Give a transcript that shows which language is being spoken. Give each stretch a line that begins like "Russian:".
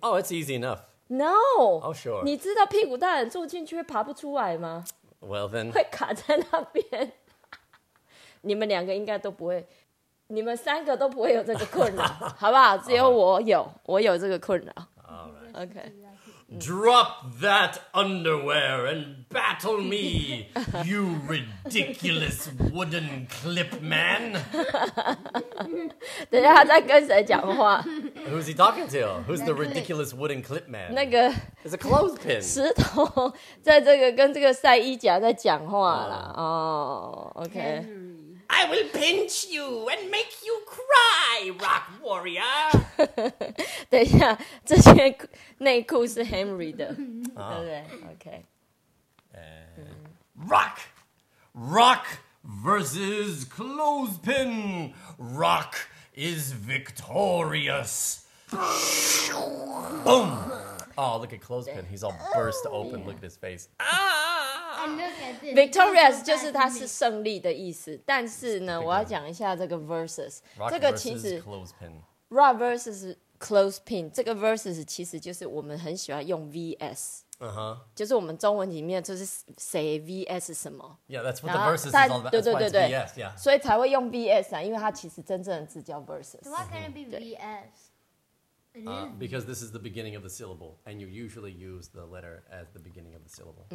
English: Oh, it's easy enough. No. Oh, sure.
Chinese: 你知道屁股大人坐进去会爬不出来吗？
English: Well, then.
Chinese: 会卡在那边。你们两个应该都不会，你们三个都不会有这个困扰，好不好？只有我有，我有这个困扰。
English: All right. Okay. Drop that underwear and battle me, you ridiculous wooden clip man.
Chinese: 等一下，他在跟谁讲话？
English: Who's he talking to? Who's the ridiculous wooden clip man?
Chinese: 那个
English: It's a clothespin.
Chinese: 石头在这个跟这个赛衣甲在讲话啦。
English: OK. I will pinch you and make you cry, rock warrior.
Chinese: 等一下，这件内裤是 Henry 的，对不对？OK.
English: Rock! Rock versus clothespin. Rock! Is victorious. Boom. Oh, look at clothespin. He's all burst open. Look at his face.
Chinese: Victorious 就是他是胜利的意思。但是呢，我要讲一下这个 versus。这个其实
English: clothespin. Rock versus clothespin.
Chinese: 这个 versus 其实就是我们很喜欢用 vs。
English: Uh-huh.
Chinese: 就是我们中文里面就是谁 VS 什么
English: Yeah, that's what the versus is all about.
Chinese: 对对对对
English: VS,、yeah.
Chinese: 所以才会用 VS 啊，因为它其实真正的字叫 versus.
English: So why can't it be VS? Because this is the beginning of the syllable, and you usually use the letter as the beginning of the syllable.、